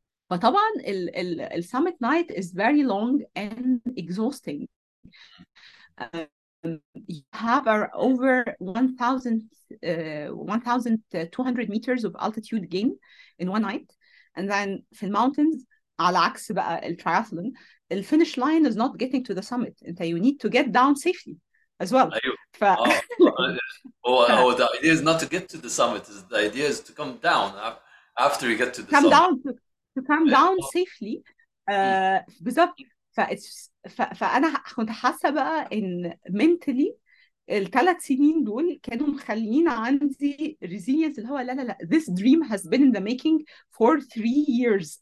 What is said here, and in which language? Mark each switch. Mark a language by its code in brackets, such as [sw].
[en] فطبعا ال summit night is very long and exhausting. You have over 1,200 meters of altitude gain in one night. And then في الماونتنز, [ar] على عكس بقى [en] الترياثلون, الفينش line is not getting to the summit. انت you need to get down safely as well. [ar] ايوه ف [en] هو the idea is not to get to the summit, the idea is to come down after you get to the come summit. down to come down safely. بالظبط. [ar] فانا كنت حاسه بقى ان mentally الثلاث سنين دول كانوا مخليين عندي resilience, اللي هو لا لا لا, [en] this dream has been in the making for 3 years.